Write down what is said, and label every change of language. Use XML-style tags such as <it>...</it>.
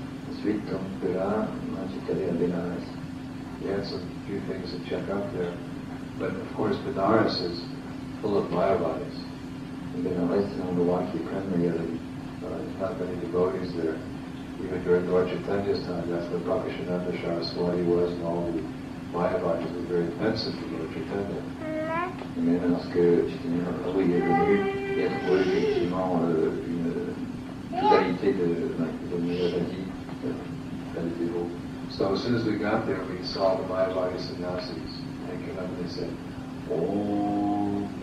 <fr>Ensuite, donc là, moi j'étais allé à Benares.</fr> <en>We had some few things to check out there. But of course, Benares is full of Mayavadis. Benares is on the Waki primarily. There's not many devotees there. Even during Lord Chaitanya's time, that's where Bhakishananda Saraswati was, and all the Mayavadis were very offensive to Lord Chaitanya.</en> <fr>Et même lorsque Chaitanya Prabhu y est venu, il y a trouvé effectivement une totalité de Mayavadis, pas de dévots.</fr> <en>So as soon as we got there, we saw the Mayavadis and Nasis. They came up and they said, oh.</en>